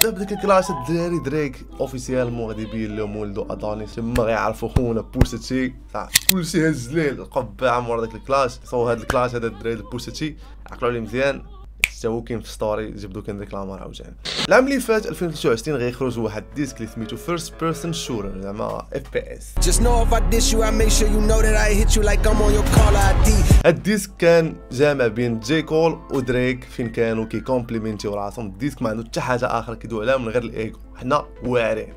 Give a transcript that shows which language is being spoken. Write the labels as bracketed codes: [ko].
[ar] دابا ديك الكلاس الدراري دريك اوفيسيالمون غادي يبين لهم ولدو ادونيس تما غيعرفوا خونا بوستي كلشي هز ليه القبعه مور ذاك الكلاس. صو هذا الكلاس هذا الدراري بوستي عقلوا لي مزيان تاو كاين في ستوري جبدو كان ديك لامار عاوتاني. العام اللي فات 2023 غيخرج واحد الديسك اللي سميتو فيرست بيرسون شوتر زعما اف بي اس. [en] Just know if I diss you I make sure you know that I hit you like I'm on your call ID. [ar] الديسك كان جامع بين جي كول ودريك فين كانوا كي كومبليمنتيو راسهم. الديسك ما عندو حتى حاجه اخر كيدو عليها من غير الايكو، حنا واعرين.